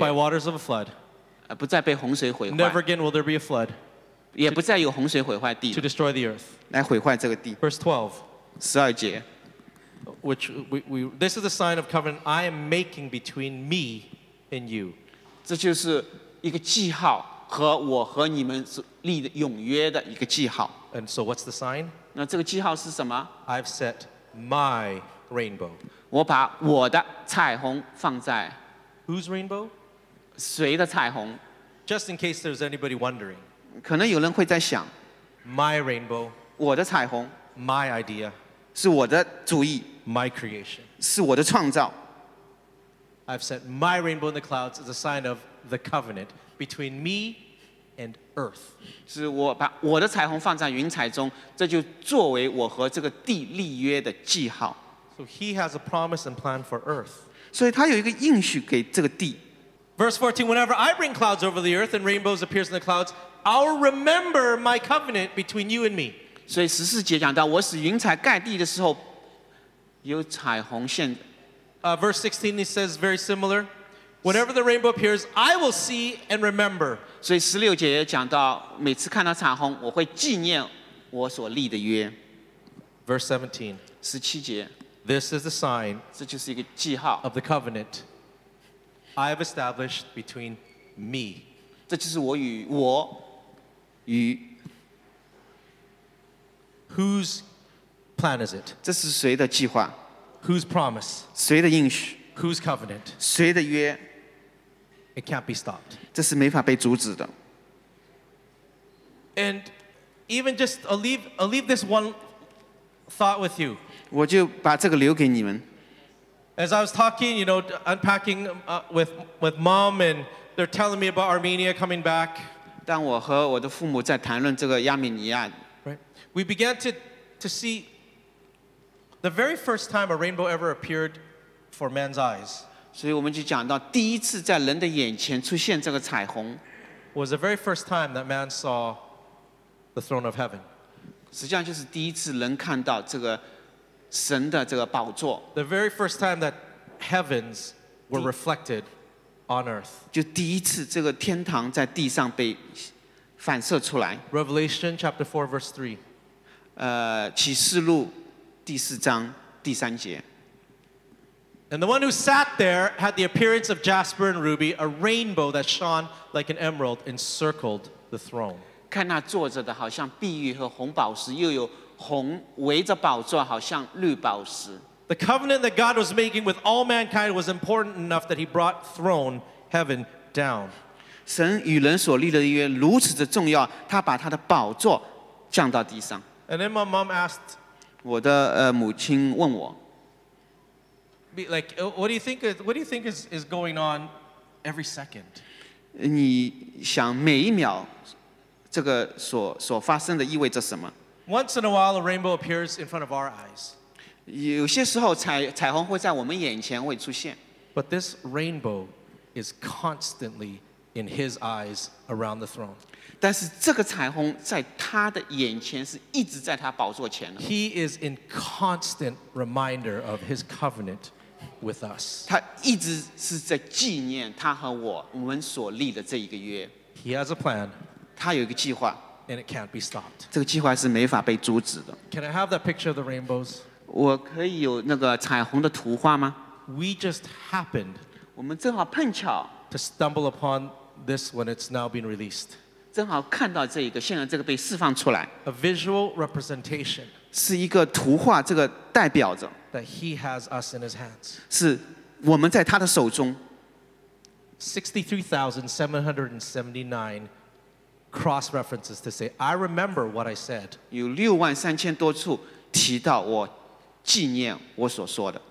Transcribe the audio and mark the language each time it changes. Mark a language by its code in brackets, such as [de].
[en] By waters of a flood. [zh] 不再被洪水毁坏。 [en] Never again will there be a flood. [zh] 也不再有洪水毁坏地。 [en] To destroy the earth. [zh] 来毁坏这个地。 [en] Verse 12. [zh] 十二节。 [en] Which we this is a sign of covenant I am making between me and you. [zh] 这就是一个记号和我和你们立永约的一个记号。 [en] And so what's the sign? [zh] 那这个记号是什么 [en] ？I've set my rainbow. [zh] 我把我的彩虹放在。 [en] Whose rainbow? [zh] 谁的彩虹 [en] Just in case there's anybody wondering. [zh] 可能有人会在想 [en] My rainbow. [zh] 我的彩虹 [en] My idea. [zh] 是我的主意 [en] My creation. [zh] 是我的创造 [en] I've set my rainbow in the clouds as a sign of the covenant between me and earth. [zh] 是我把我的彩虹放在云彩中，这就作为我和这个地立约的记号。 [en] So he has a promise and plan for earth. [zh] 所以他有一个应许给这个地。 [en] Verse 14, whenever I bring clouds over the earth and rainbows appears in the clouds, I'll remember my covenant between you and me. [zh] 所以十四节讲到我使云彩盖地的时候有彩虹现。 [en] Verse 16, he says very similar. Whenever the rainbow appears, I will see and remember. [zh] 所以十六节也讲到每次看到彩虹我会纪念我所立的约。 [en] Verse 17, [zh] 十七节。 [en] This is the sign [zh] 这就是一个记号 [en] of the covenant. I have established between me. [zh] 这就是我与我与 [en] Whose plan is it? [zh] 这是谁的计划 [en] Whose promise? [zh] 谁的应许 [en] Whose covenant? [zh] 谁的约 [en] It can't be stopped. [zh] 这是没法被阻止的 [en] And even just I'll leave this one thought with you. [zh] 我就把这个留给你们。 [en] As I was talking, you know, unpacking with mom, and they're telling me about Armenia coming back. [zh] 当我和我的父母在谈论这个亚美尼亚 [en] right, we began to see the very first time a rainbow ever appeared for man's eyes. [zh] 所以我们就讲到第一次在人的眼前出现这个彩虹 [en] was the very first time that man saw the throne of heaven. [zh] 实际上就是第一次人看到这个。神的这个宝座 [en] The very first time that heavens were reflected on earth. [zh] 就第一次这个天堂在地上被反射出来 [en] Revelation chapter 4 verse 3. [zh] 启示录第四章第三节 [en] And the one who sat there had the appearance of jasper and ruby, a rainbow that shone like an emerald encircled the throne. [zh] 看那坐着的好像碧玉和红宝石又有红围着宝座，好像绿宝石。 [en] The covenant that God was making with all mankind was important enough that He brought throne heaven down. [zh] 神与人所立的约如此的重要，他把他的宝座降到地上。 [en] And then my mom asked, [zh] 我的母亲问我 [en] ，Like, what do you think? What do you think is going on every second? [zh] 你想每一秒这个所发生的意味着什么？ [en] Once in a while, a rainbow appears in front of our eyes. [zh] 有些时候彩虹会在我们眼前会出现。 [en] But this rainbow is constantly in His eyes around the throne. [zh] 但是这个彩虹在他的眼前是一直在他宝座前的。 [en] He is in constant reminder of His covenant with us. [zh] 他一直是在纪念他和我们所立的这一个约。 [en] He has a plan. [zh] 他有一个计划。 [en] and it can't be stopped. [zh] 这个计划是没法被阻止的。 [en] Can I have that picture of the rainbows? [zh] 我可以有那个彩虹的图画吗？ [en] We just happened. [zh] 我们正好碰巧。 [en] To stumble upon this when it's now been released. [zh] 正好看到这一个，现在这个被释放出来。 [en] A visual representation. [zh] 是一个图画，这个代表着。 [en] That he has us in his hands. [zh] 是我们在他的手中。 [en] 63,779 cross references to say, I remember what I said. [zh] 有63,000多处提到我纪念我所说的。